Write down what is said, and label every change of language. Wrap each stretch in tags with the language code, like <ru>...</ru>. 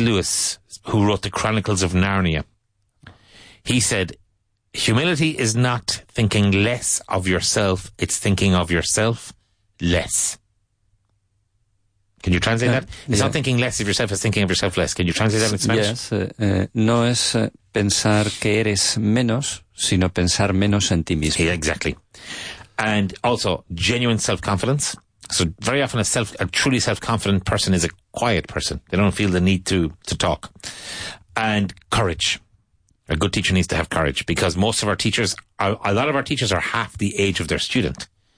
<en>Lewis, who wrote the Chronicles of Narnia, he said, humility is not thinking less of yourself, it's thinking of yourself less. Can you translate that? It's not thinking less of yourself, it's thinking of yourself less. Can you translate that in Spanish? Yes.</en> <es>No es pensar que eres menos, sino pensar menos en ti mismo.</es> <en>Yeah, exactly. And also, genuine self-confidence. So very often a truly self-confident person is a quiet person. They don't feel the need to talk. And courage. A good teacher needs to have courage, because most of our teachers, a lot of our teachers are half the age of their student.</en>